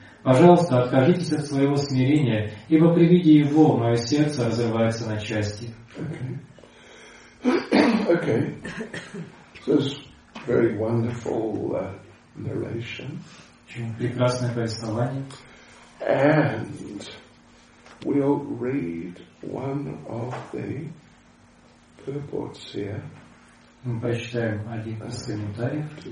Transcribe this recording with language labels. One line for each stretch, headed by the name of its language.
Russian: Пожалуйста, откажитесь от своего смирения, ибо при виде его мое сердце разрывается на части».
English: Okay. This is very wonderful narration.
Russian: Очень прекрасное повествование.
English: And we'll read one of the purports here.
Russian: Мы прочитаем один из комментариев.